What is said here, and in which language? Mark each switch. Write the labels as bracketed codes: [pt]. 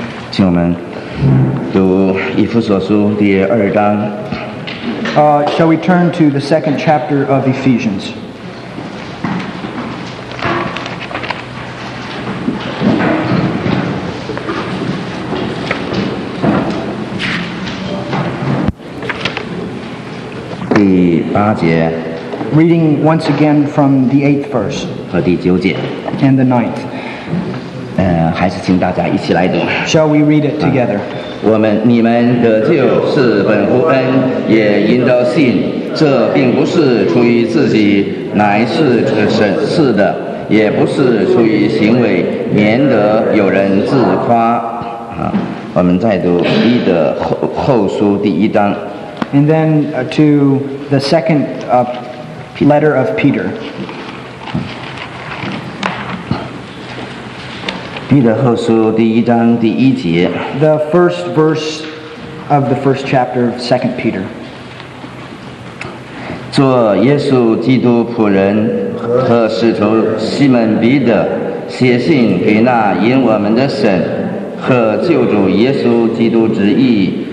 [zh] 请我们读以弗所书第二章。 [en] Shall we turn to the second chapter of Ephesians? Reading once again from the 8th verse [zh] 和第九节 [en] and the 9th. [zh] 还是请大家一起来读。 [en] Shall we read it together? [zh] 你们得救是本乎恩，也因着信。这并不是出于自己，乃是神赐的；也不是出于行为，免得有人自夸。我们再读彼得后书第一章。 [en] And then to the second letter of Peter. [zh] 彼得后书第一章第一节。 [en] The first verse of the first chapter of Second Peter. [zh] 做耶稣基督仆人和使徒西门彼得写信给那因我们的神和救主耶稣基督旨意。